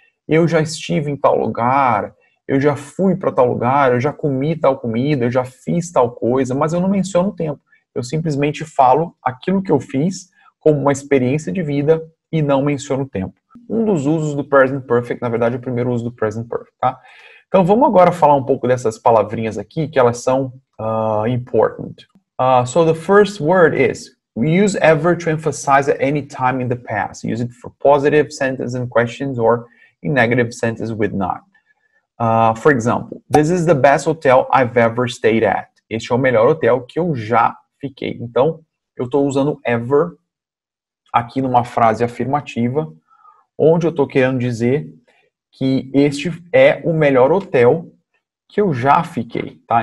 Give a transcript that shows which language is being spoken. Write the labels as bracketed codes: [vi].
[pt] Eu já estive em tal lugar, eu já fui para tal lugar, eu já comi tal comida, eu já fiz tal coisa, mas eu não menciono o tempo. Eu simplesmente falo aquilo que eu fiz, como uma experiência de vida e não menciona o tempo. Um dos usos do present perfect, na verdade, é o primeiro uso do present perfect, tá? Então, vamos agora falar um pouco dessas palavrinhas aqui, que elas são important. [en] So, the first word is, we use ever to emphasize at any time in the past. Use it for positive sentences and questions or in negative sentences with not. For example, this is the best hotel I've ever stayed at. [pt] Este é o melhor hotel que eu já fiquei. Então, eu estou usando ever aqui numa frase afirmativa, onde eu estou querendo dizer que este é o melhor hotel que eu já fiquei, tá?